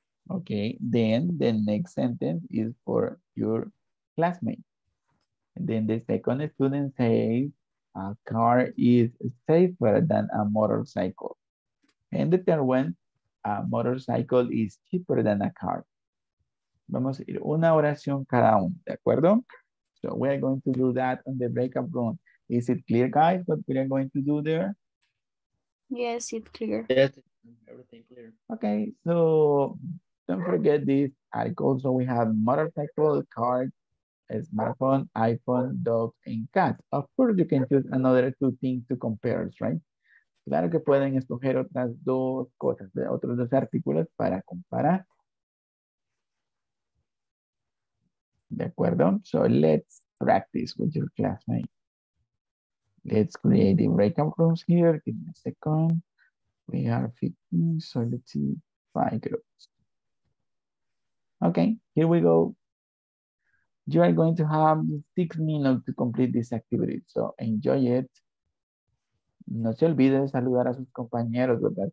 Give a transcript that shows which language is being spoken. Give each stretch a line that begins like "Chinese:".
English: Okay, then the next sentence is for your classmate. And then the second student says, a car is safer than a motorcycle. And the third one, a motorcycle is cheaper than a car.
Spanish: Vamos a ir una oración cada uno, ¿de acuerdo?
English: So we are going to do that on the breakout room. Is it clear, guys, what we are going to do there? Yes, it's clear. Yes, everything clear. Okay, so don't forget this article. So we have motorcycle, car, a smartphone, iPhone, dog, and cat. Of course, you can choose another two things to compare, right?
Spanish: Claro que pueden escoger otras dos cosas, otros dos artículos para comparar. De acuerdo?
English: So let's practice with your classmate. Let's create the breakout rooms here. Give me a second. We are 15, so let's see, 5 groups. Okay, here we go. You are going to have 6 minutes to complete this activity, so enjoy it.
Spanish: No se olvide saludar a sus compañeros, ¿verdad?